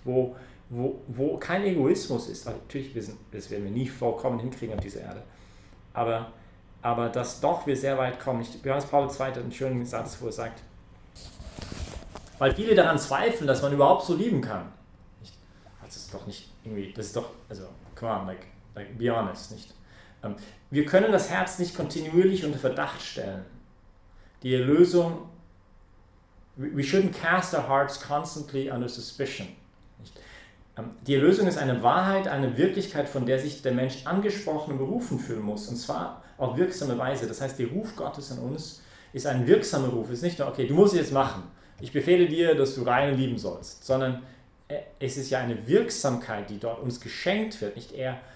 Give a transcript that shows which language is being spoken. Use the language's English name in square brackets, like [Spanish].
[German] Wo kein Egoismus ist. Also natürlich, das werden wir nie vollkommen hinkriegen auf dieser Erde, aber dass doch wir sehr weit kommen. Johannes Paul II. Hat einen schönen Satz, wo er sagt, weil viele daran zweifeln, dass man überhaupt so lieben kann. Nicht? Das ist doch nicht irgendwie, das ist doch, also, [English] come on, like be honest, [German] nicht? Wir können das Herz nicht kontinuierlich unter Verdacht stellen. Die Erlösung, [English] we shouldn't cast our hearts constantly under suspicion. [German] Die Erlösung ist eine Wahrheit, eine Wirklichkeit, von der sich der Mensch angesprochen und berufen fühlen muss, und zwar auf wirksame Weise. Das heißt, der Ruf Gottes an uns ist ein wirksamer Ruf. Es ist nicht nur, okay, du musst es jetzt machen, ich befehle dir, dass du rein lieben sollst, sondern es ist ja eine Wirksamkeit, die dort uns geschenkt wird, nicht eher.